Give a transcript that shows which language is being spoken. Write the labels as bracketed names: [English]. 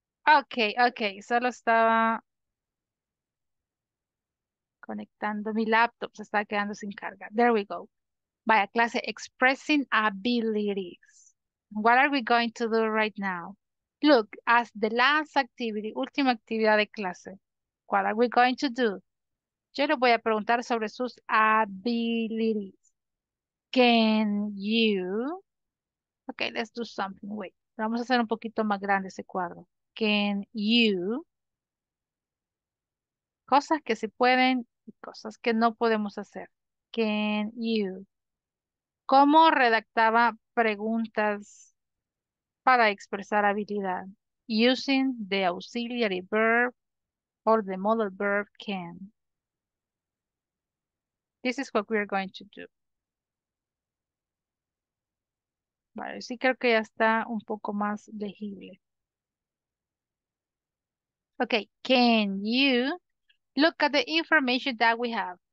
[Spanish] Okay, solo estaba conectando mi laptop, se estaba quedando sin carga. [English] There we go. [Spanish] Vaya clase, [English] expressing abilities. What are we going to do right now? Look, as the last activity, [Spanish] última actividad de clase, [English] What are we going to do? [Spanish] Yo le voy a preguntar sobre sus abilities. [English] Can you? Okay, let's do something. Wait. [Spanish] Vamos a hacer un poquito más grande ese cuadro. [English] Can you? [Spanish] Cosas que se pueden y cosas que no podemos hacer. [English] Can you? [Spanish] ¿Cómo redactaba preguntas para expresar habilidad? [English] Using the auxiliary verb or the modal verb can. This is what we are going to do. [Spanish] Vale, sí creo que ya está un poco más legible. [English] Okay, can you look at the information that we have?